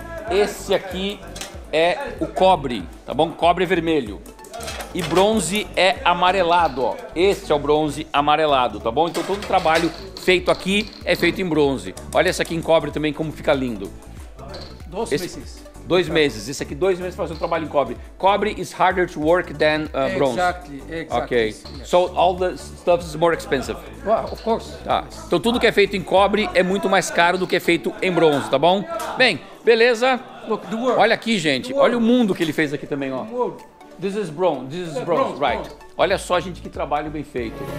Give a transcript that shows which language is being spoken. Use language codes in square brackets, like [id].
[pt] Esse aqui é o cobre, tá bom? Cobre vermelho. E bronze é amarelado, ó. Esse é o bronze amarelado, tá bom? Então todo o trabalho feito aqui é feito em bronze. Olha esse aqui em cobre também como fica lindo. Dois meses. Esse aqui 2 meses fazendo trabalho em cobre. [en] Cobre is harder to work than bronze. Exactly. Okay. Yes. So all the stuff is more expensive. Well, of course. [pt] Tá. Então tudo que é feito em cobre é muito mais caro do que é feito em bronze, tá bom? Bem, beleza. [en] Look, the world. [pt] Olha aqui, gente. Olha o mundo que ele fez aqui também, ó. [en] This is bronze. This is bronze. Right. Bronze. [pt] Olha só, gente, que trabalho bem feito.